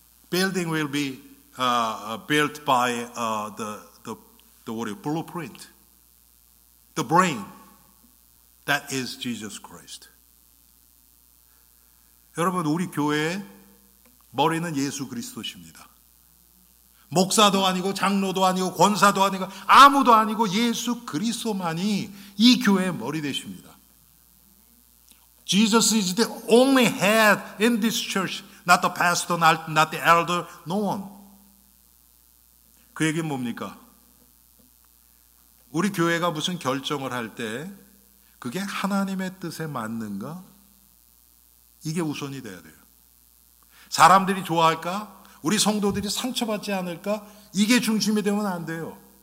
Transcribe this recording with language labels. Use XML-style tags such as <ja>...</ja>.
<en>Building will be built by the blueprint, the brain. That is Jesus Christ.</en> <ko>여러분, 우리 교회의 머리는 예수 그리스도십니다. 목사도 아니고 장로도 아니고 권사도 아니고 아무도 아니고 예수 그리스도만이 이 교회의 머리 되십니다.</ko> <en>Jesus is the only head in this church, not the pastor, not the elder, no one.</en> <ko>그 얘기는 뭡니까? 우리 교회가 무슨 결정을 할 때 그게 하나님의 뜻에 맞는가? 이게 우선이 돼야 돼요. 사람들이 좋아할까? 우리 성도들이 상처받지 않을까? 이게 중심이 되면 안 돼요.</ko>